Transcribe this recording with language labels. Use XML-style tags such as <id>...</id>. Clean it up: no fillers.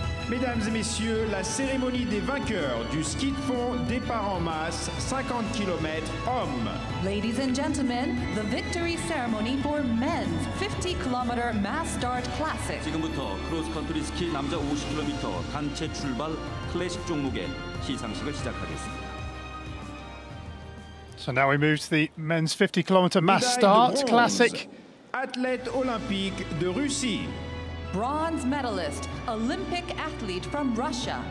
<fr>Mesdames et messieurs, la cérémonie des vainqueurs du ski de fond départ en masse 50 km hommes.</fr> <en>Ladies and gentlemen, the victory ceremony for men's 50 km mass start classic.</en> <ko>지금부터 크로스 컨트리 스키 남자 50km 단체 출발 클래식 종목의 시상식을 시작하겠습니다.</ko> <en>So now we move to the men's 50 km mass start classic.</en> <fr>Athlète olympique de Russie.</fr> <en>Bronze medalist, Olympic athlete from Russia.</en>